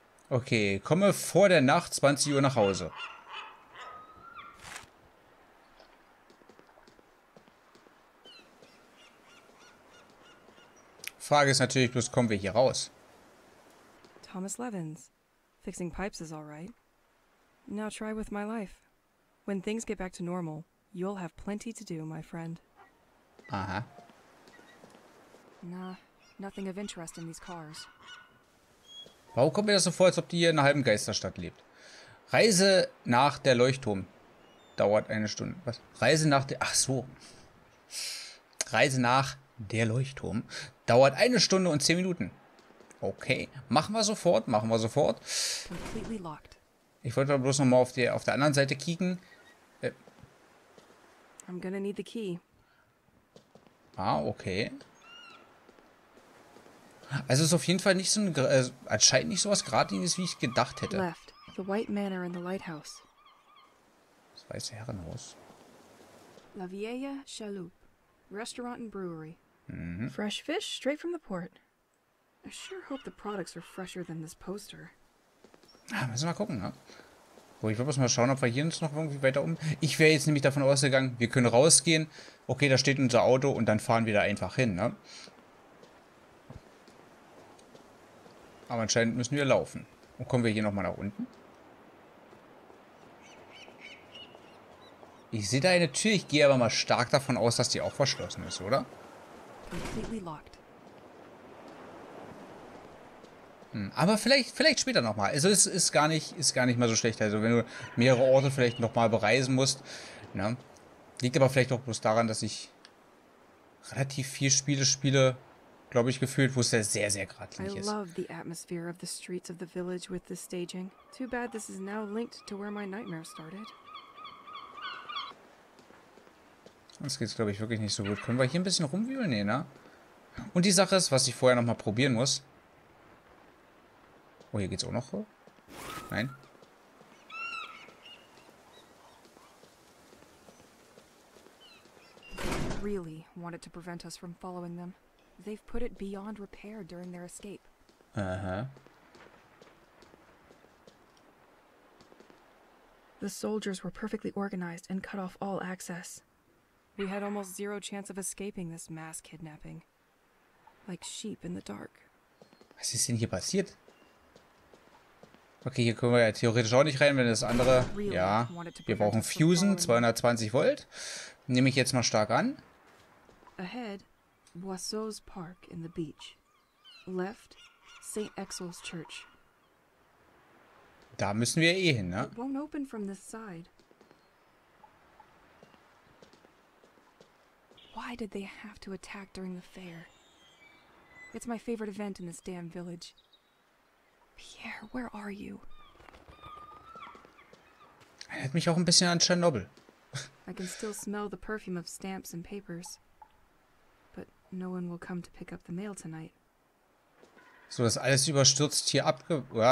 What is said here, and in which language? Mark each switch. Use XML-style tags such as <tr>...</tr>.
<de>Okay, komme vor der Nacht 20 Uhr nach Hause. Frage ist natürlich bloß, kommen wir hier raus?</de> <en>Thomas Levins. Fixing pipes is all right. Now try with my life. When things get back to normal, you'll have plenty to do, my friend. Uh-huh. Nah, nothing of interest in these cars.</en> <de>Warum kommt mir das so vor, als ob die hier in einer halben Geisterstadt lebt? Reise nach der Leuchtturm. Dauert eine Stunde. Was? Reise nach der... Ach so. Reise nach der Leuchtturm. Dauert eine Stunde und 10 Minuten. Okay, machen wir sofort, machen wir sofort.</de> <en>Completely locked.</en> <de>Ich wollte bloß nochmal auf der anderen Seite kicken.</de> <en>I'm gonna need the key. Ah, okay.</en> <de>Also ist auf jeden Fall nicht so ein, anscheinend nicht so was Gradliniges, wie ich gedacht hätte.</de> <en>Left, the White Manor and the Lighthouse.</en> <de>Das weiße Herrenhaus.</de> <en>La Vieja Chaloupe, Restaurant and Brewery. Mhm. Fresh fish, straight from the port. I sure hope the products are fresher than this poster.</en> <de>Ah, müssen wir mal gucken, ne? So, ich würde mal schauen, ob wir hier uns noch irgendwie weiter um... Ich wäre jetzt nämlich davon ausgegangen, wir können rausgehen. Okay, da steht unser Auto und dann fahren wir da einfach hin, ne? Aber anscheinend müssen wir laufen. Und kommen wir hier nochmal nach unten? Ich sehe da eine Tür, ich gehe aber mal stark davon aus, dass die auch verschlossen ist, oder?</de> <en>Completely locked.</en> <de>Aber vielleicht später nochmal. Also es ist gar nicht mal so schlecht. Also wenn du mehrere Orte vielleicht nochmal bereisen musst. Ne? Liegt aber vielleicht auch bloß daran, dass ich relativ viel spiele, glaube ich, gefühlt, wo es sehr, sehr, sehr geradlinig ist.</de> <en>I love the atmosphere of the streets of the village with the staging. Too bad this is now linked to where my nightmare started.</en> <de>Das geht, glaube ich, wirklich nicht so gut. Können wir hier ein bisschen rumwühlen? Nee, ne? Und die Sache ist, was ich vorher nochmal probieren muss. Oh, hier geht's auch noch. Nein.</de> <en>Really wanted to prevent us from following them. They've put it beyond repair during their escape. The soldiers were perfectly organized and cut off all access. We had almost zero chance of escaping this mass kidnapping. Like sheep in the dark.</en> <de>Was ist denn hier passiert? Okay, hier können wir ja theoretisch auch nicht rein, wenn das andere... Ja, wir brauchen Fusen, 220 Volt. Nehme ich jetzt mal stark an.</de> <en>Ahead, Boisseau's Park in the beach. Left, St. Exel's Church.</en> <de>Da müssen wir eh hin, ne?</de> <en>It won't open from this side. Why did they have to attack during the fair? It's my favorite event in this damn village. Pierre, where are you?</en> <de>Erinnert mich auch ein bisschen an Tschernobyl.</de> <en>I can still smell the perfume of stamps and papers. But no one will come to pick up the mail tonight.</en> <de>So, das alles überstürzt hier abge...</de>